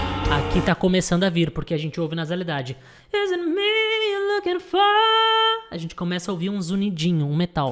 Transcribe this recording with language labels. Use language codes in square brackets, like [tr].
[pt] Aqui tá começando a vir, porque a gente ouve nasalidade. [en] Isn't me you're looking for? [pt] A gente começa a ouvir um zunidinho, um metal.